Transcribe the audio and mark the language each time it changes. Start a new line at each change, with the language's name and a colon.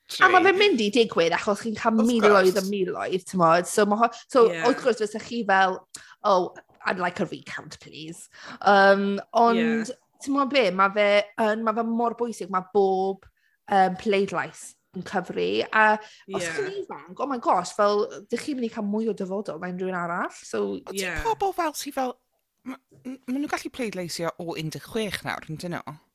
Welsh: A mae fe'n mynd i digwydd achos chi'n cael miloedd a miloedd, ti'n modd. So, wrth gwrs, fysa chi fel,
English: oh, I'd like a recount, please.
Welsh: Ond, ti'n modd be, mae fe mor bwysig, mae bob pleidlais yn cyfri. A os chi'n ifanc,
English: oh my gosh,
Welsh: fel, dych chi'n mynd i cael mwy o dyfodol na unrhyw un arall. So, ti'n pobol fel sy'n fel, maen nhw'n gallu pleidlaisio o 16 nawr, yn dyn nhw?